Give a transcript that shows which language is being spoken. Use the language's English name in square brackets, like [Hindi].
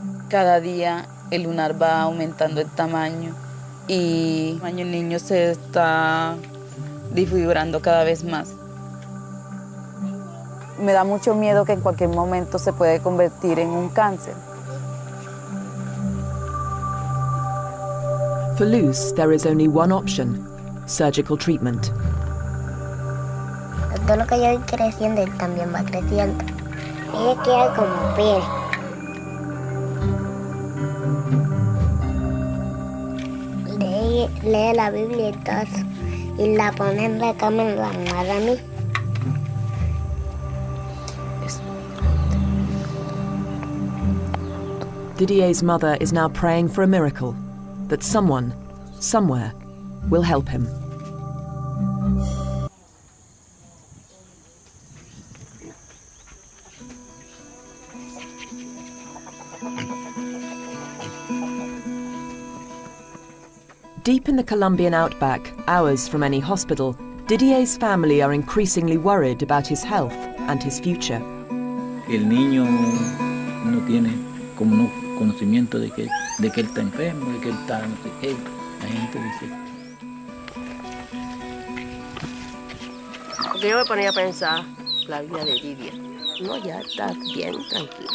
[Spanish] Cada día el lunar va aumentando el tamaño y el niño se está desfigurando cada vez más. Me da mucho miedo que en cualquier momento se puede convertir en un cáncer. [English] For Luz, there is only one option, surgical treatment. [Spanish] Todo lo que yo voy creciendo también va creciendo. Y queda como piel. Lee la Biblia y todo eso, y la pone en la cama y la muera a mí. [English] Didier's mother is now praying for a miracle, that someone, somewhere, will help him. Deep in the Colombian outback, hours from any hospital, Didier's family are increasingly worried about his health and his future. [Spanish] El niño no tiene como no conocimiento de que él está enfermo, de que él está no sé qué. La gente dice. Porque yo me ponía a pensar la vida de Didier. No, ya está bien, tranquilo.